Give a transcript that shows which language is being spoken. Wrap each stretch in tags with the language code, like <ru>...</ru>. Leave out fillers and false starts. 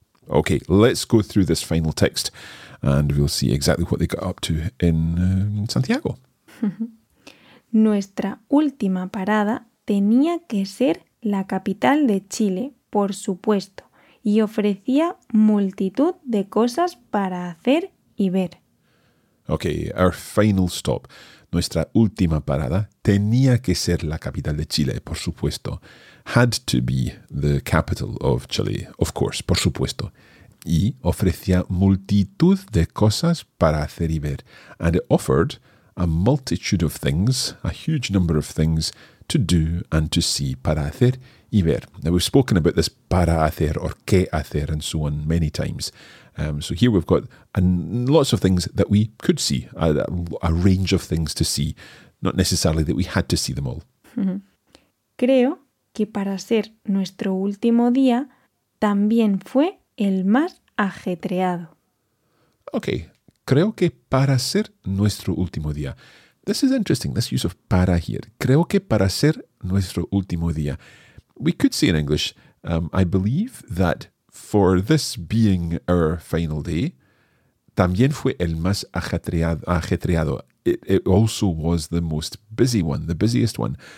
<en>Okay, let's go through this final text and we'll see exactly what they got up to in Santiago.</en> <es>Nuestra última parada tenía que ser la capital de Chile, por supuesto, y ofrecía multitud de cosas para hacer y ver.</es> <en>Okay, our final stop.</en> <es>Nuestra última parada tenía que ser la capital de Chile, por supuesto.</es> <en>Had to be the capital of Chile, of course, por supuesto.</en> <es>Y ofrecía multitud de cosas para hacer y ver.</es> <en>And it offered a multitude of things, a huge number of things to do and to see, para hacer y ver. Now we've spoken about this para hacer or qué hacer and so on many times. So here we've got lots of things that we could see, a range of things to see, not necessarily that we had to see them all.</en> <es>Creo que para ser nuestro último día también fue el más ajetreado. Okay, creo que para ser nuestro último día.</es> <en>This is interesting, this use of para here. Creo que para ser nuestro último día. We could say in English, I believe that for this being our final day, también fue el más ajetreado. It also was the most busy one, the busiest one.</en>